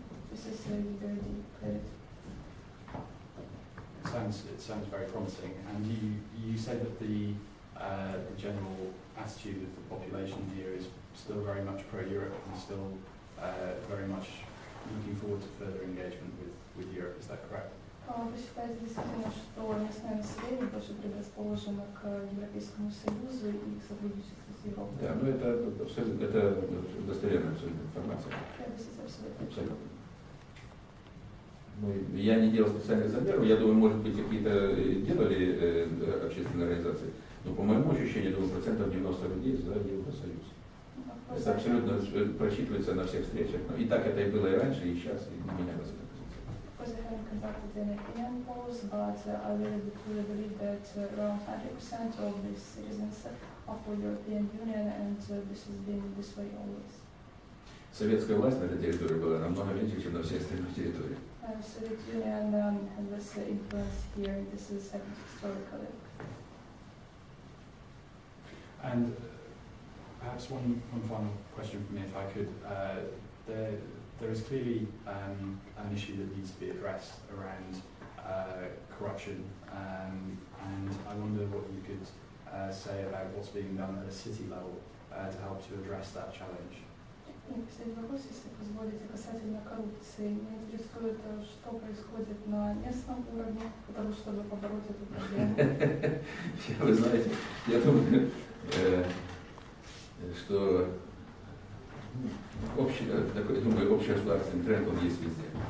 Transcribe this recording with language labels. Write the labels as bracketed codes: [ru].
[en] This is the EBRD credit. It sounds very promising. And you said that the general attitude of the population here is still very much pro-Europe and still very much looking forward to further engagement with Europe. Is that correct? [ru] Вы считаете действительно, что местное население больше предрасположено к Европейскому Союзу и к сотрудничеству с Европой? Да, но это достоверная абсолютная информация. Абсолютно. Я не делал специальных замеров. Я думаю, может быть, какие-то делали общественные организации. Но по моему ощущению, думаю, 90% людей за Евросоюз. Это абсолютно просчитывается на всех встречах. И так это и было и раньше, и сейчас, и не меняется. [en] Because I haven't conducted any opinion polls, but I really do believe that around 100% of the citizens are for European Union, and this has been this way always. [ru] Советская власть на этой территории была намного меньше, чем на всех остальных территориях. [en] Soviet Union had less influence here. This is happened historically. And perhaps one final question for me, if I could. There is clearly an issue that needs to be addressed around corruption, and I wonder what you could say about what's being done at a city level to help to address that challenge. [ru] Последний вопрос, если позволите, касательно коррупции. Меня интересует, что происходит на местном уровне, потому что вы побороть эту проблему. Вы знаете, я думаю, что общий государственный тренд, он есть везде.